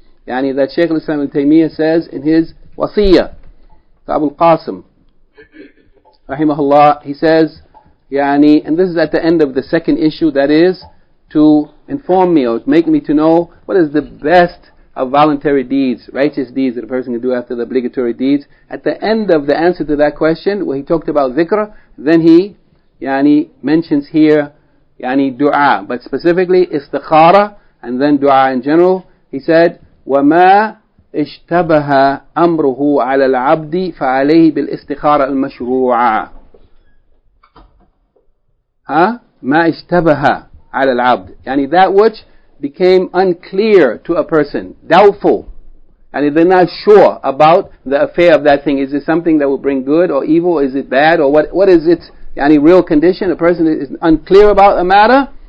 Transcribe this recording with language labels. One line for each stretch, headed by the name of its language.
English: That Shaykh al-Islam ibn Taymiyyah says in his wasiyyah, Abu al-Qasim, rahimahullah, he says, and this is at the end of the second issue, that is, to inform me or make me to know what is the best of voluntary deeds, righteous deeds that a person can do after the obligatory deeds. At the end of the answer to that question, where he talked about dhikr, then he mentions here dua, but specifically istikhara and then dua in general. He said,
Arabic: وَمَا اشْتَبَهَ أَمْرُهُ عَلَى الْعَبْدِ فَعَلَيْهِ بِالْإِسْتِخَارَ الْمَشْرُوعَ. مَا اشْتَبَهَ عَلَى الْعَبْدِ,
English: that which became unclear to a person, doubtful, and they're not sure about the affair of that thing. Is it something that will bring good or evil? Is it bad? Or what is its real condition? A person is unclear about a matter.